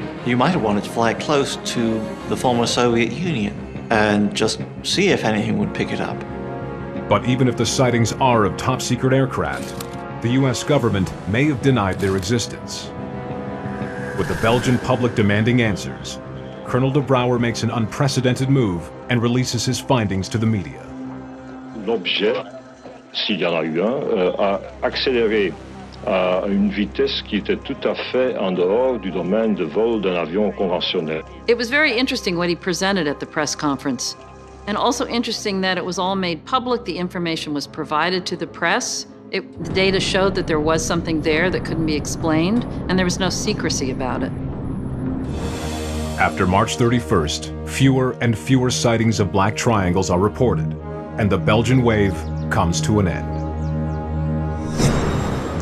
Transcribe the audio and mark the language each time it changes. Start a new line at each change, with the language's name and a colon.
English: You might have wanted to fly close to the former Soviet Union and just see if anything would pick it up. But even if the sightings are of top secret aircraft, the US government may have denied their existence. With the Belgian public demanding answers, Colonel de Brouwer makes an unprecedented move and releases his findings to the media.
French: L'objet, s'il y en a eu un, a accéléré à une vitesse qui était tout à fait en dehors du domaine de vol d'un avion conventionnel.
English: It was very interesting what he presented at the press conference, and also interesting that it was all made public. The information was provided to the press. The data showed that there was something there that couldn't be explained, and there was no secrecy about it. After March 31st, fewer and fewer sightings of black triangles are reported, and the Belgian wave comes to an end.